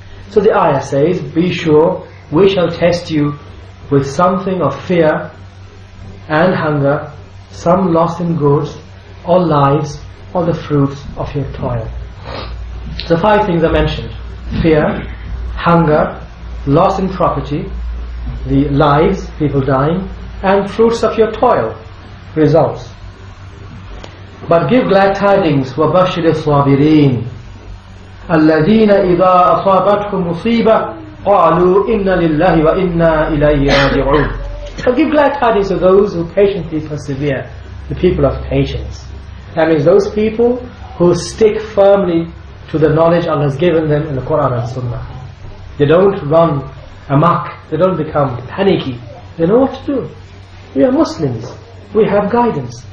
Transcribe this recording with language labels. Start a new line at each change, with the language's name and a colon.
English: So the ayah says, be sure, we shall test you with something of fear and hunger, some loss in goods or lives or the fruits of your toil. So five things are mentioned: fear, hunger, loss in property, the lives, people dying, and fruits of your toil, results. But give glad tidings,
Arabic: وَبَشِّرِ الصَّابِرِينَ الَّذِينَ إِذَا أَصَابَتْهُمْ مُصِيبَةٌ قَالُوا إِنَّ لِلَّهِ وَإِنَّا إِلَيْهِ رَاجِعُونَ.
English: So give glad tidings to those who patiently persevere, the people of patience. That means those people who stick firmly to the knowledge Allah has given them in the Quran and Sunnah. They don't run amok, they don't become panicky. They know what to do. We are Muslims. We have guidance.